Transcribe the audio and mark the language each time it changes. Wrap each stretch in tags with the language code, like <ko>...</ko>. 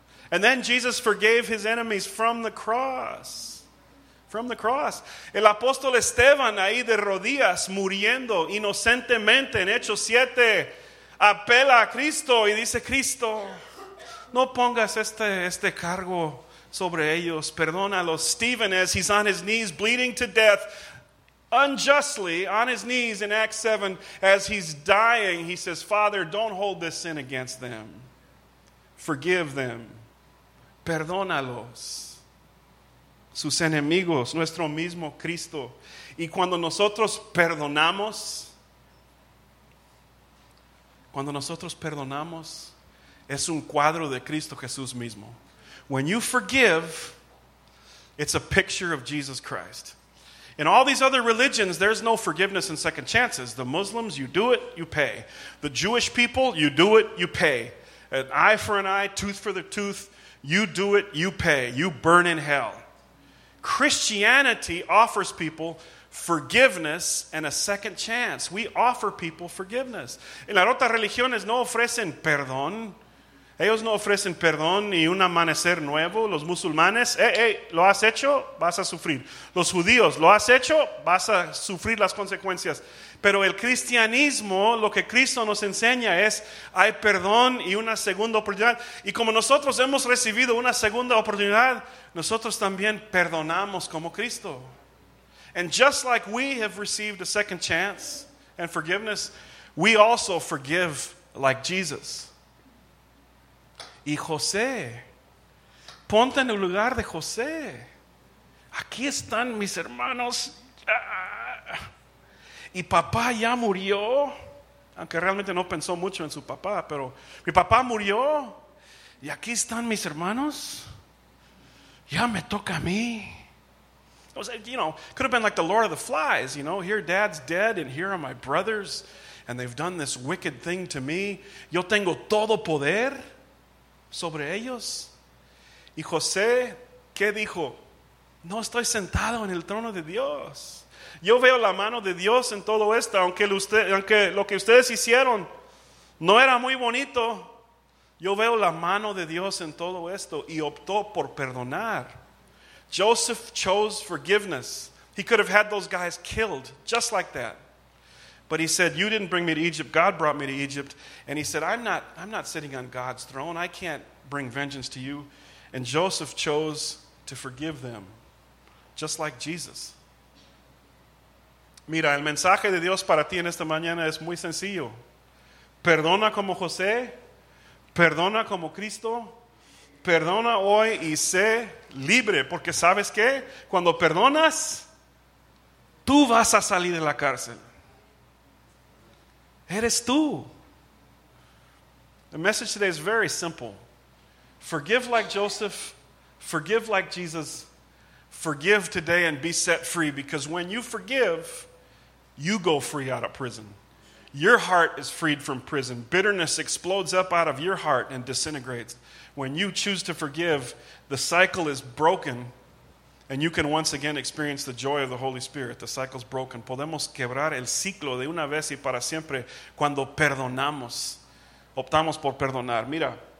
<en>And then Jesus forgave his enemies from the cross. From the cross.</en> <es>El apóstol Esteban ahí de rodillas muriendo inocentemente en Hechos 7. Apela a Cristo y dice, Cristo, no pongas este cargo sobre ellos. Perdónalos.</es> <en>Stephen, as he's on his knees bleeding to death, unjustly on his knees in Acts 7, as he's dying, he says, Father, don't hold this sin against them. Forgive them.</en> <es>Perdónalos. Sus enemigos, nuestro mismo Cristo. Y cuando nosotros perdonamos, cuando nosotros perdonamos, es un cuadro de Cristo Jesús mismo.</es> <en>When you forgive, it's a picture of Jesus Christ. In all these other religions, there's no forgiveness and second chances. The Muslims, you do it, you pay. The Jewish people, you do it, you pay. An eye for an eye, tooth for the tooth, you do it, you pay. You burn in hell. Christianity offers people forgiveness and a second chance. We offer people forgiveness.</en> <es>En las otras religiones no ofrecen perdón. Ellos no ofrecen perdón ni un amanecer nuevo. Los musulmanes, lo has hecho, vas a sufrir. Los judíos, lo has hecho, vas a sufrir las consecuencias. Pero el cristianismo, lo que Cristo nos enseña es, hay perdón y una segunda oportunidad. Y como nosotros hemos recibido una segunda oportunidad, nosotros también perdonamos como Cristo.</es> <en>And just like we have received a second chance and forgiveness, we also forgive like Jesus.</en> <es>Y José, ponte en el lugar de José. Aquí están mis hermanos. Y papá ya murió. Aunque realmente no pensó mucho en su papá, pero mi papá murió. Y aquí están mis hermanos. Ya me toca a mí.</es> <en>You know, could have been like the Lord of the Flies, you know, here dad's dead and here are my brothers and they've done this wicked thing to me.</en> <es>Yo tengo todo poder sobre ellos. Y José, ¿qué dijo? No estoy sentado en el trono de Dios. Yo veo la mano de Dios en todo esto, aunque lo que ustedes hicieron no era muy bonito. Yo veo la mano de Dios en todo esto y optó por perdonar.</es> <en>Joseph chose forgiveness. He could have had those guys killed just like that. But he said, you didn't bring me to Egypt. God brought me to Egypt. And he said, I'm not sitting on God's throne. I can't bring vengeance to you. And Joseph chose to forgive them just like Jesus.</en> <es>Mira, el mensaje de Dios para ti en esta mañana es muy sencillo. Perdona como José. Perdona como Cristo. Perdona hoy y sé libre, porque ¿sabes qué? Cuando perdonas, tú vas a salir de la cárcel. Eres tú.</es> <en>The message today is very simple. Forgive like Joseph, forgive like Jesus, forgive today and be set free, because when you forgive, you go free out of prison. Your heart is freed from prison. Bitterness explodes up out of your heart and disintegrates. When you choose to forgive, the cycle is broken and you can once again experience the joy of the Holy Spirit. The cycle's broken.</en> <es>Podemos quebrar el ciclo de una vez y para siempre cuando perdonamos. Optamos por perdonar. Mira,</es>